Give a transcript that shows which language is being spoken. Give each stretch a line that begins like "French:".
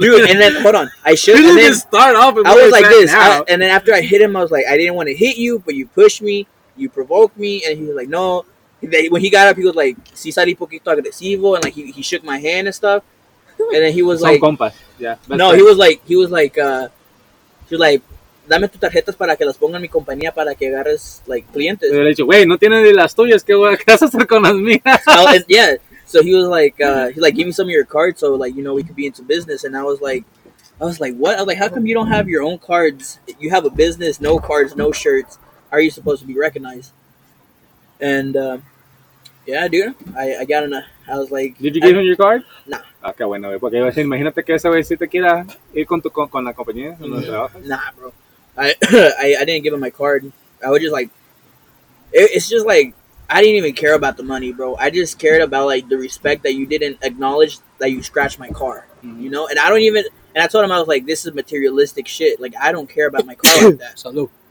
English: Dude, and then, hold on. I should have just start off. I was like this. And then after I hit him, I was like, I didn't want to hit you, but you pushed me. You provoked me. And he was like, no. When he got up, he was like,
Spanish: si salí poquito agresivo.
English: And like he shook my hand and stuff. And then he was some like, compas. Yeah, no, friend. he was like,
Spanish: dame tus tarjetas para que las ponga en mi compañía para que agarres, like, clientes. Le dije, wey, no tienes ni las tuyas, qué vas a hacer con las mías.
English: Yeah, so he was like, give me some of your cards so, like, you know, we could be into business. And I was like, what? I was like, how come you don't have your own cards? You have a business, no cards, no shirts. How are you supposed to be recognized? And, yeah, dude, I got in a, I was like, did you give him your card? Nah.
Spanish: Okay, bueno, porque iba a decir, imagínate que esa vez si te quiera ir con la compañía, donde trabajas.
English: Nah, bro. I didn't give him my card. I was just like, it's just like, I didn't even care about the money, bro. I just cared about, like, the respect that you didn't acknowledge that you scratched my car, you know? And I don't even, and I told him, I was like, this is materialistic shit. Like, I don't care about my car like that.
Spanish: Salud.